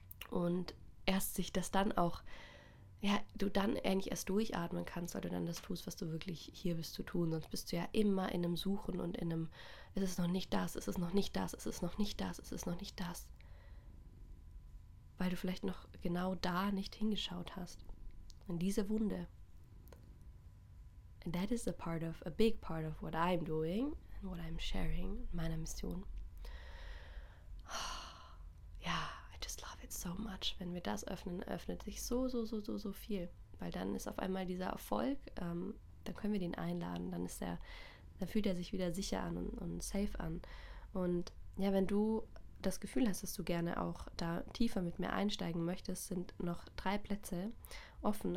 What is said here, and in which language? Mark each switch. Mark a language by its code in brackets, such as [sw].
[de] Und erst sich das dann auch, ja, du dann eigentlich erst durchatmen kannst, weil du dann das tust, was du wirklich hier bist zu tun. Sonst bist du ja immer in einem Suchen und in einem, es ist noch nicht das, es ist noch nicht das, es ist noch nicht das, es ist noch nicht das. Weil du vielleicht noch genau da nicht hingeschaut hast. In diese Wunde. [en] And that is a big part of what I'm doing and what I'm sharing, [de] meiner Mission. [en] Ja, yeah, I just love it so much. [de] Wenn wir das öffnen, öffnet sich so, so, so, so, so viel. Weil dann ist auf einmal dieser Erfolg, dann können wir den einladen, dann fühlt er sich wieder sicher an und safe an. Und ja, wenn du das Gefühl hast, dass du gerne auch da tiefer mit mir einsteigen möchtest, sind noch 3 Plätze offen.